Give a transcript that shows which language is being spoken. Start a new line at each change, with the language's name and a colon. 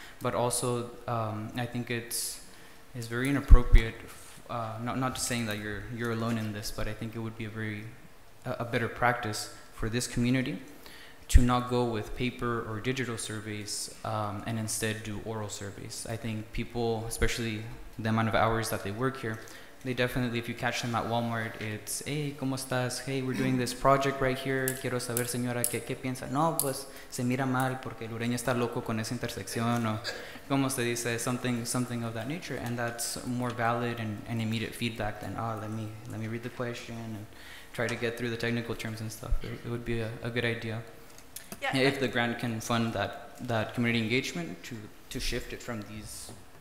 English: But also, I think it's very inappropriate, not saying that you're alone in this, but I think it would be a better practice for this community to not go with paper or digital surveys and instead do oral surveys. I think people, especially the amount of hours that they work here, they definitely, if you catch them at Walmart, it's, hey,
Spanish: ¿cómo estás?
English: Hey, we're doing this project right here.
Spanish: Quiero saber, señora, ¿qué piensa? No, pues, se mira mal porque el Ureña está loco con esa intersección. O, ¿cómo se dice?
English: Something of that nature. And that's more valid and immediate feedback than, let me read the question and try to get through the technical terms and stuff. It would be a good idea. Yeah. If the grant can fund that community engagement to shift it from these